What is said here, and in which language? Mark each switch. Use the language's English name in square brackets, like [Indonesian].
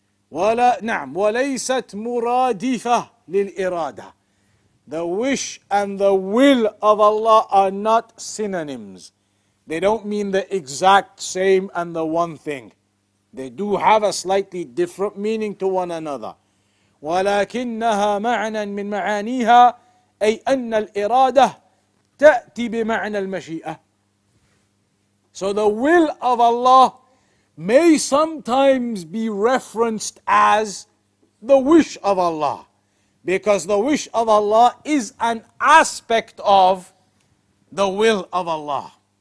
[Arabic] Wala na'am walaysat muradifa lil-irada. [English] The wish and the will of Allah are not synonyms. They don't mean the exact same and the one thing. They do have a slightly different meaning to one another. [Arabic] Walakinnaha ma'nan min ma'aniha. أي أن الإرادة تأتي بمعنى المشيئة. [English] So the will of Allah may sometimes be referenced as the wish of Allah, because the wish of Allah is an aspect of the will of Allah.